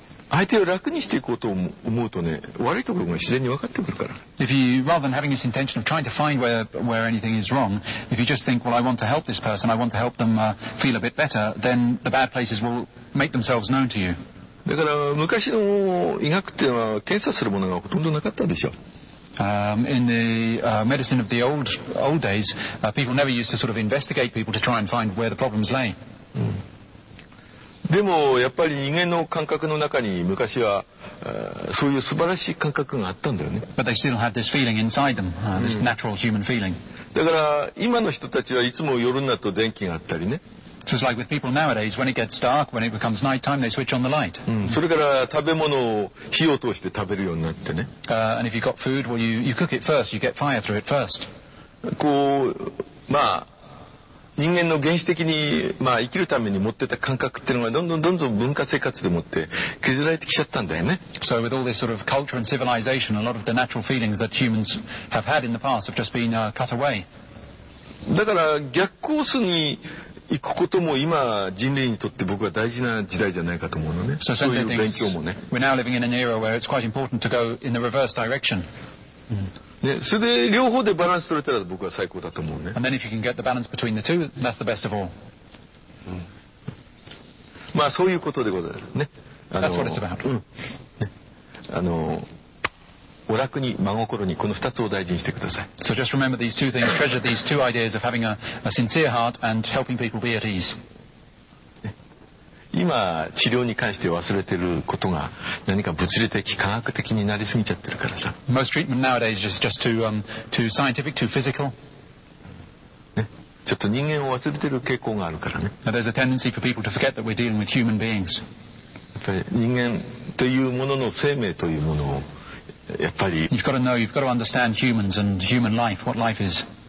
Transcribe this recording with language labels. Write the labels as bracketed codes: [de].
[ja] 相手を楽にしていこうと思うとね、悪いところが自然に分かってくるから。 [en] If you, rather than having this intention of trying to find where anything is wrong, if you just think, well, I want to help this person, I want to help them feel a bit better, then the bad places will make themselves known to you. [ja] だから昔の医学っていうのは検査するものがほとんどなかったでしょ。 [en] In the medicine of the old days, people never used to sort of investigate people to try and find where the problems lay. [ja] でもやっぱり人間の感覚の中に昔はそういう素晴らしい感覚があったんだよね。 [en] But they still had this feeling inside them, this natural human feeling. [ja] だから今の人たちはいつも夜になると電気があったりね。 [en] So it's like with people nowadays, when it gets dark, when it becomes night time, they switch on the light. [ja] それから食べ物を火を通して食べるようになってね。 [en] And if you've got food, well, you cook it first, you get fire through it first. [ja] こう、まあ、人間の原始的に、まあ、生きるために持ってた感覚っていうのがどんどんどんどん文化生活でもって削られてきちゃったんだよね。 [en] So with all this sort of culture and civilization, a lot of the natural feelings that humans have had in the past have just been cut away. [ja] だから逆コースに行くことも今人類にとって僕は大事な時代じゃないかと思うのね。 [en] So、 [ja] そういう勉強もね。 [en] We're now living in an era where it's quite important to go in the reverse direction. [ja] ね、それで両方でバランス取れたら僕は最高だと思うね。 [en] And then if you can get the balance between the two, that's the best of all.、 [ja] まあそういうことでございますね。 [en] That's what it's about.、 [ja] お楽に真心にこの2つを大事にしてください。 [en] So just remember these two things, treasure these two ideas of having a sincere heart and helping people be at ease. [ja] 今治療に関して忘れてることが何か物理的科学的になりすぎちゃってるからさ。 [en] Most treatment nowadays is just too scientific, too physical. [ja] ね、ちょっと人間を忘れてる傾向があるからね。 [en] Now, there's a tendency for people to forget that we're dealing with human beings. [ja] やっぱり人間というものの生命というものをやっぱり。 [en] You've got to know, you've got to understand humans and human life, what life is.